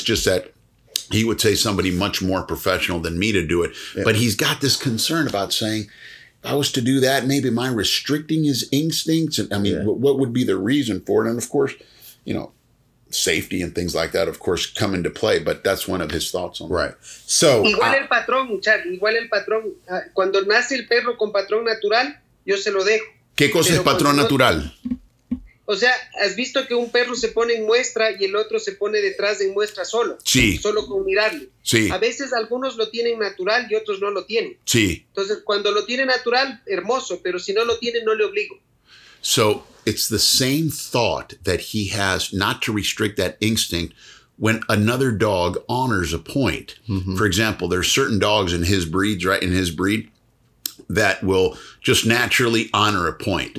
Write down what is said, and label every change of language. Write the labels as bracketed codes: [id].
[en] It's just that he would say somebody much more professional than me to do it. Yeah. But he's got this concern about saying, if I was to do that, maybe am I restricting his instincts? And I mean, what would be the reason for it? And of course, you know, safety and things like that, of course, come into play. But that's one of his thoughts on right. That. So [es] igual el patrón, Charlie. Igual el patrón. Cuando nace el perro con patrón natural, yo se lo dejo. ¿Qué cosa pero es patrón natural? O sea, has visto que un perro se pone en muestra y el otro se pone detrás de muestra solo. Sí. Solo con mirarlo. Sí. A veces algunos lo tienen natural y otros no lo tienen. Sí. Entonces, cuando lo tiene natural, hermoso. Pero si no lo tiene, no le obligo. [en] So it's the same thought that he has not to restrict that instinct when another dog honors a point. Mm-hmm. For example, there are certain dogs in his breeds, right, in his breed, that will just naturally honor a point.